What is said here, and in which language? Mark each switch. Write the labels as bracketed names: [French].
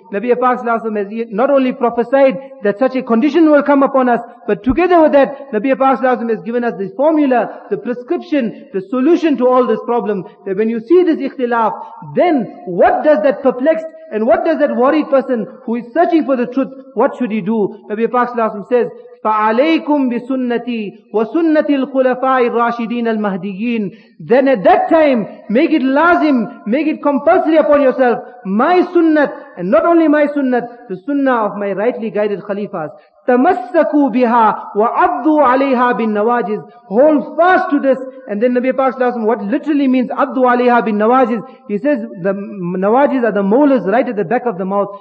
[English] Nabi Pak Sallallahu Alaihi Wasallam has not only prophesied that such a condition will come upon us, but together with that, Nabi Pak Sallallahu Alaihi Wasallam has given us the formula, the prescription, the solution to all this problem, that when you see this ikhtilaf, then what does that perplexed and what does that worried person who is searching for the truth, what should he do? [Arabic] Nabi Pak Salaam says, فَعَلَيْكُمْ بِسُنَّتِي وَسُنَّتِ الْخُلَفَاءِ الرَّاشِدِينَ الْمَهْدِيِّينَ. [English] Then at that time, make it lazim, make it compulsory upon yourself, my sunnat, and not only my sunnat, the sunnah of my rightly guided khalifas. [Arabic] تَمَسَّكُوا بِهَا وَعَضُّوا عَلَيْهَا بِالنَّوَاجِزِ. [English] Hold fast to this. And then Nabi Pak Salaam, what literally means [Arabic] عَضُّوا عَلَيْهَا بِالنَّوَاجِزِ, [English] he says the nawajiz are the molars right at the back of the mouth.